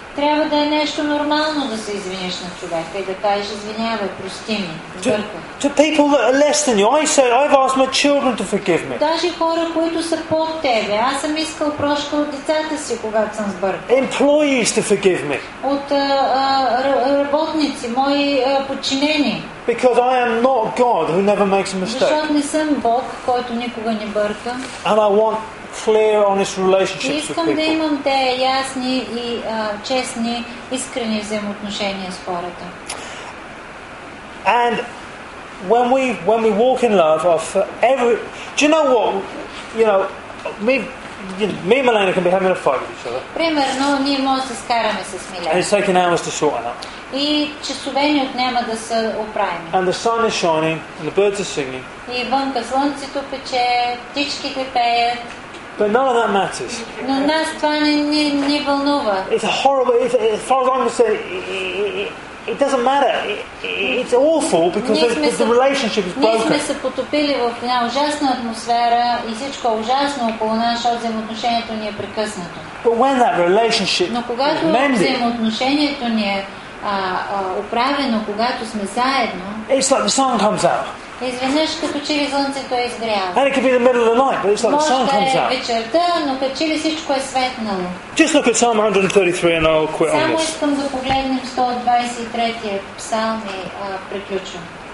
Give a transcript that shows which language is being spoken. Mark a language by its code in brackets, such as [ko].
[bg] Трябва да е нещо нормално да се извиниш на човека и да кажеш, извинявай, прости ми. [en] To people that are less than you, I say, I've asked my children to forgive me. [bg] Даже хора, които са под тебе, аз съм искал прошка от децата си, когато съм сбъркал. [en] Employees to forgive me. [bg] От работници, мои подчинени. [en] Because I am not God who never makes a mistake. [bg] Защото не съм Бог, който никога не бърка. [en] And I want clear, honest relationships with people. [bg] Искам да имам те ясни и честни, искрени взаимоотношения с хората. [en] And when we walk in love, do you know what? Me and Milena can be having a fight with each other. [bg] Примерно, ние може да се скараме с Милена. [en] And it's taking hours to sort it out. [bg] И часове ни отнема да се оправим. [en] And the sun is shining, and the birds are singing. [bg] И вънка слънцето пече, птичките пеят. [en] But none of that matters. [bg] Но нас това не вълнува. [en] It's horrible. As far as I'm concerned, it doesn't matter. It's awful because the relationship is broken. [bg] Ние сме се потопили в една ужасна атмосфера и всичко е ужасно около нас, защото взаимоотношението ни е прекъснато. [en] But when that relationship [bg] Но когато взаимоотношението ни е оправено, когато сме заедно, [en] it's like the sun comes out. [bg] Изведнъж като че ли слънцето е изгряло. [en] And it could be the middle of the night, but it's like [bg] Може [en] the sun comes out. [bg] Вечерта, но като че ли всичко е светнало. [en] Just look at Psalm 133 and I'll quit on this. [bg] Само искам да погледнем 123-я псалм и приключвам.